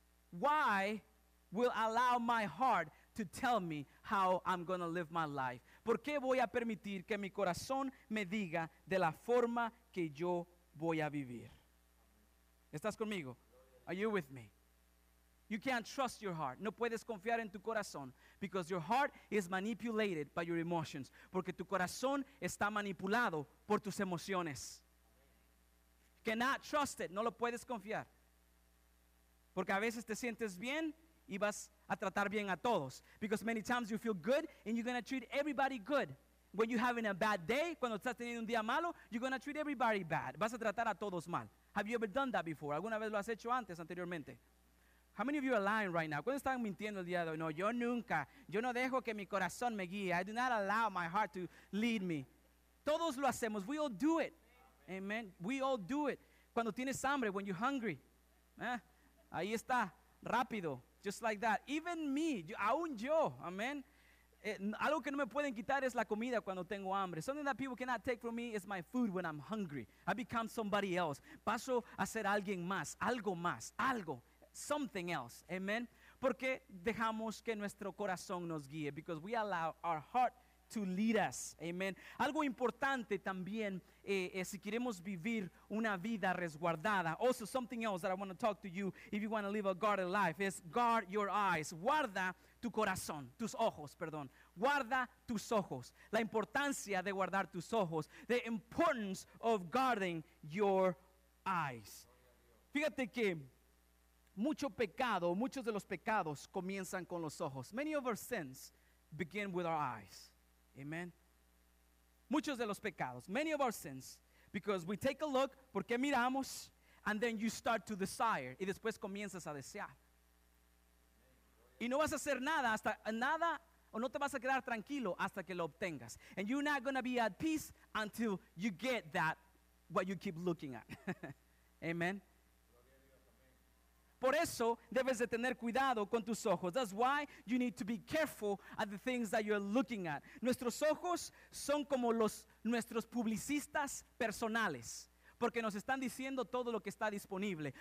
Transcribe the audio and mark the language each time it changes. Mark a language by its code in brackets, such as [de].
[en] Why will I allow my heart to tell me how I'm going to live my life? [es] ¿Por qué voy a permitir que mi corazón me diga de la forma que yo voy a vivir? ¿Estás conmigo? [en] Are you with me? You can't trust your heart. [es] No puedes confiar en tu corazón, [en] because your heart is manipulated by your emotions. [es] Porque tu corazón está manipulado por tus emociones. [en] Cannot trust it. [es] No lo puedes confiar. Porque a veces te sientes bien y vas a tratar bien a todos. [en] Because many times you feel good and you're going to treat everybody good. When you're having a bad day, [es] cuando estás teniendo un día malo, [en] you're going to treat everybody bad. [es] Vas a tratar a todos mal. [en] Have you ever done that before? [es] ¿Alguna vez lo has hecho antes, anteriormente? [en] How many of you are lying right now? [es] ¿Cuándo están mintiendo el día de hoy? No, yo nunca. Yo no dejo que mi corazón me guíe. [en] I do not allow my heart to lead me. [es] Todos lo hacemos. [en] We all do it. Amen. We all do it. [es] Cuando tienes hambre, [en] when you're hungry. [es] Ahí está. Rápido. [en] Just like that. Even me. [es] Aún yo. Amen. Algo que no me pueden quitar es la comida cuando tengo hambre. [en] Something that people cannot take from me is my food when I'm hungry. I become somebody else. [es] Paso a ser alguien más. Algo más. Algo. [en] Something else. [es] Amen. Porque dejamos que nuestro corazón nos guíe. [en] Because we allow our heart to lead us. Amen. [es] Algo importante también, si queremos vivir una vida resguardada. [en] Also, something else that I want to talk to you if you want to live a guarded life is guard your eyes. [es] Guarda tu corazón, tus ojos, perdón. Guarda tus ojos. La importancia de guardar tus ojos. [en] The importance of guarding your eyes. [es] Fíjate que mucho pecado, muchos de los pecados comienzan con los ojos. [en] Many of our sins begin with our eyes. Amen. [es] Muchos de los pecados, [en] many of our sins, because we take a look, [es] porque miramos, [en] and then you start to desire, [es] y después comienzas a desear. Y no vas a hacer nada hasta nada, o no te vas a quedar tranquilo hasta que lo obtengas. [en] And you're not going to be at peace until you get that, what you keep looking at. Amen. [es] Por eso debes de tener cuidado con tus ojos. [en] That's why you need to be careful at the things that you're looking at. [es] Nuestros ojos son como nuestros publicistas personales, porque nos están diciendo todo lo que está disponible.